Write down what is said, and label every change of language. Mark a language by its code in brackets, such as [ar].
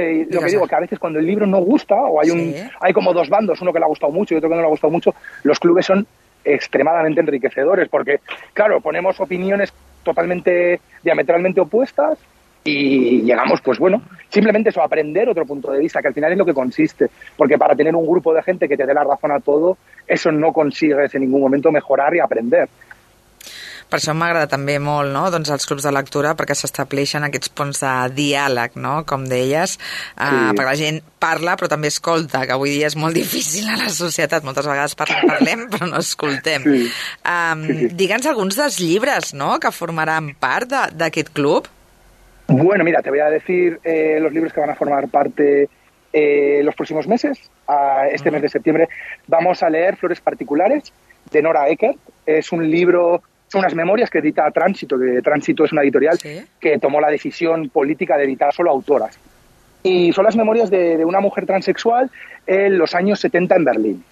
[es] Lo que digo, que a veces cuando el libro no gusta, o hay hay como dos bandos, uno que le ha gustado mucho y otro que no le ha gustado mucho, los clubes son extremadamente enriquecedores, porque, claro, ponemos opiniones totalmente, diametralmente opuestas, y llegamos, pues bueno, simplemente eso, aprender otro punto de vista, que al final es lo que consiste, porque para tener un grupo de gente que te dé la razón a todo, eso no consigues en ningún momento mejorar y aprender. [ca] Per això m'agrada també molt, no?, doncs els clubs de lectura, perquè s'estableixen aquests punts de diàleg, no?, com deies, sí. Perquè la gent parla però també escolta, que avui dia és molt difícil a la societat, moltes vegades parlem però no escoltem. Sí. Sí, sí. Digue'ns alguns dels llibres, no?, que formaran part d'aquest club. [es] Bueno, mira, te voy a decir los libros que van a formar parte los próximos meses. Este mes de septiembre vamos a leer Flores particulares, de Nora Eckert. Es un libro, son unas memorias que edita Tránsito, que Tránsito es una editorial ¿Sí? que tomó la decisión política de editar solo autoras. Y son las memorias de una mujer transexual en los años 70 en Berlín.